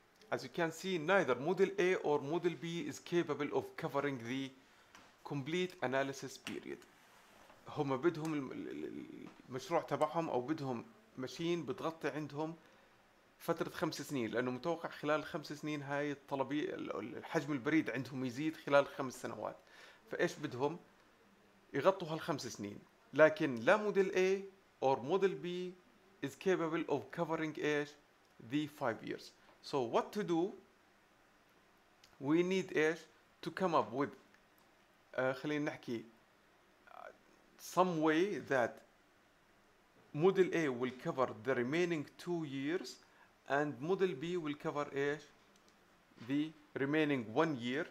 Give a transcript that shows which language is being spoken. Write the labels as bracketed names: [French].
[English] As you can see, neither model A or model B is capable of covering the complete analysis period. [Arabic] هم بدهم المشروع تبعهم او بدهم ماشين بتغطي عندهم فترة 5 سنين لانه متوقع خلال 5 سنين هاي الطلبية الحجم البريد عندهم يزيد خلال 5 سنوات. فايش بدهم؟ يغطوا هال5 سنين. لكن لا موديل A [English] or model B is capable of covering ايش the 5 years. So what to do? We need ايش to come up with [Arabic] خلينا نحكي [English] some way that model A will cover the remaining 2 years and model B will cover ايش the remaining 1 year.